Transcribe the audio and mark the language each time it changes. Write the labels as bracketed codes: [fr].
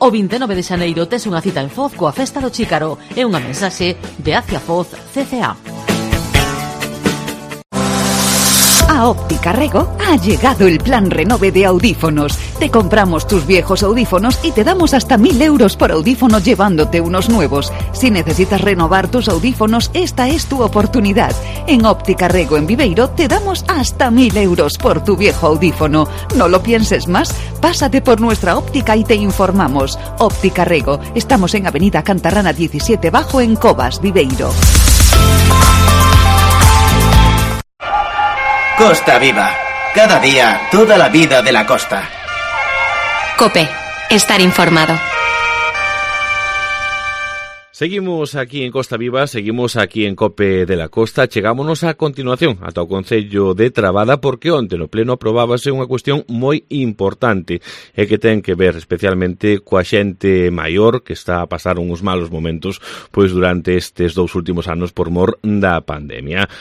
[gl] O 29 de xaneiro tes unha cita en Foz coa Festa do Chícaro e unha mensaxe de Hacia Foz CCA. [es] A Óptica Rego ha llegado el plan Renove de audífonos. Te compramos tus viejos audífonos y te damos hasta 1.000 euros por audífono llevándote unos nuevos. Si necesitas renovar tus audífonos, esta es tu oportunidad. En Óptica Rego en Viveiro te damos hasta 1.000 euros por tu viejo audífono. No lo pienses más, pásate por nuestra óptica y te informamos. Óptica Rego, estamos en Avenida Cantarrana 17 bajo en Cobas, Viveiro. Costa Viva. Cada día, toda la vida de la costa. COPE. Estar informado. Seguimos aquí en Costa Viva, seguimos aquí en COPE de la Costa. [gl] Chegámonos a continuación ata o Concello de Trabada porque onte no pleno aprobábase unha cuestión moi importante e que ten que ver especialmente coa xente maior que está a pasar uns malos momentos pois durante estes dous últimos anos por mor da pandemia.